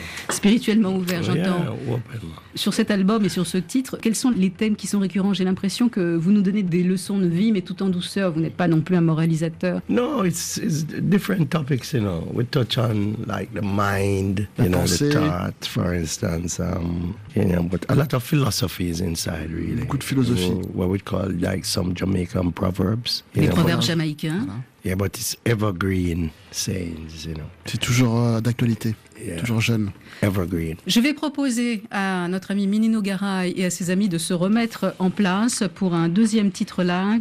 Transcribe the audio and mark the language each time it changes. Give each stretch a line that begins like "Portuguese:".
French: Spirituellement ouvert, j'entends. Sur cet album et sur ce titre, quels sont les thèmes qui sont récurrents? J'ai l'impression que vous nous donnez des leçons de vie, mais tout en douceur. Vous n'êtes pas non plus un moralisateur.
English: Non, it's different topics, you know. We touch on like the mind, you know, the thought, for instance. You know, but a lot of philosophy is inside, really.
French: Beaucoup de philosophie.
English: What we call like some Jamaican proverbs.
French: Les proverbes jamaïcains.
English: Yeah, but it's evergreen sayings, you know.
French: C'est toujours d'actualité, toujours jeune.
English: Evergreen.
French: Je vais proposer à notre ami Minino Garay et à ses amis de se remettre en place pour un deuxième titre là.